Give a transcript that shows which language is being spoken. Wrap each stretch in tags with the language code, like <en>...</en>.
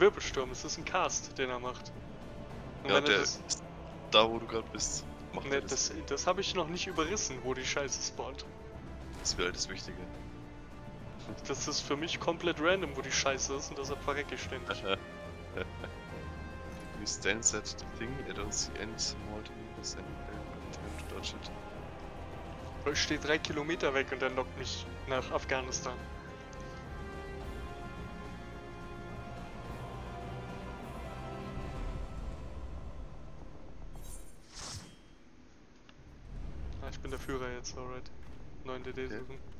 <de>Wirbelsturm, es ist ein Cast, den er macht. Und ja, der ist da, wo du gerade bist. Ne, das habe ich noch nicht überrissen, wo die Scheiße spawnt. Das wäre halt das Wichtige. Das ist für mich komplett random, wo die Scheiße ist und deshalb verrecke ich ständig.</de> <en>We stand at the thing, I don't see any small things in Deutschland.</en> <de>Ich stehe 3 Kilometer weg und dann lockt mich nach Afghanistan. Ich bin der Führer jetzt, alright. 9 DD suchen.</de>